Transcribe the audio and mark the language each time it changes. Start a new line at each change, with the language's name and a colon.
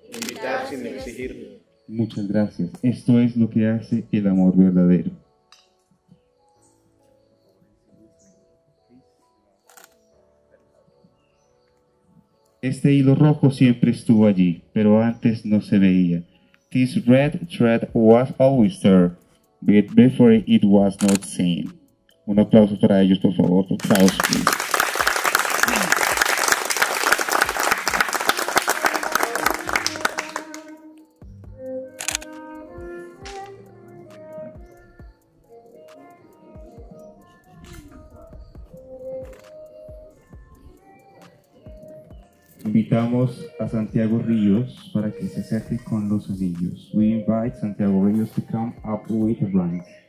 Spanish: Invitar sin exigir. Muchas gracias. Esto es lo que hace el amor verdadero. Este hilo rojo siempre estuvo allí, pero antes no se veía.
English: This red thread was always there, but before it was not seen.
Spanish: Un aplauso para ellos, por favor. Un aplauso, please. Invitamos a Santiago Ríos para que se acerque con los anillos.
English: We invite Santiago Ríos to come up with the blinds.